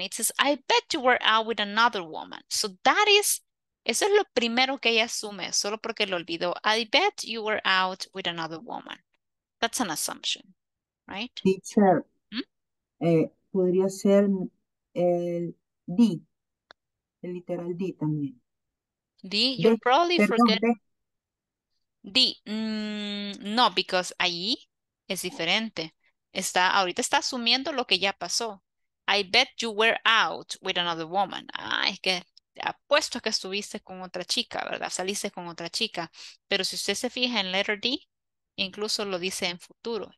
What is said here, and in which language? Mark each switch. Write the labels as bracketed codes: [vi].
[en] It says, I bet you were out with another woman. So that is, [es] eso es lo primero que ella asume, solo porque lo olvidó. [en] I bet you were out with another woman. That's an assumption, right? [es] Teacher, podría ser el D, el literal D también. [en] D, you're probably forgetting. D, no, because [es] ahí es diferente. Está, ahorita está asumiendo lo que ya pasó. [en] I bet you were out with another woman. [es] Ah, es que apuesto que estuviste con otra chica, ¿verdad? Saliste con otra chica. Pero si usted se fija en letter D, incluso lo dice en futuro.